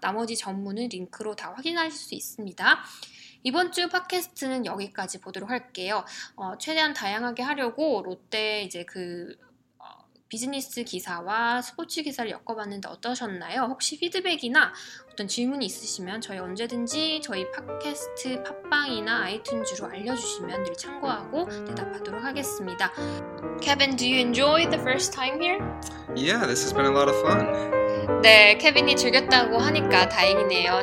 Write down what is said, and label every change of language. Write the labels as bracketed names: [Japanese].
[Korean] 나머지 전문은 링크로 다 확인하실 수 있습니다. 이번 주 팟캐스트는 여기까지 보도록 할게요. 최대한 다양하게 하려고 롯데 이제 그 비즈니스 기사와 스포츠 기사를 엮어봤는데 어떠셨나요? 혹시 피드백이나 어떤 질문이 있으시면 저희 언제든지 저희 팟캐스트 팟빵이나 아이튠즈로 알려주시면 늘 참고하고 대답하도록 하겠습니다. [English] Kevin, do you enjoy the first time here? Yeah, this has been a lot of fun. [Korean] 네, 케빈이 즐겼다고 하니까 다행이네요.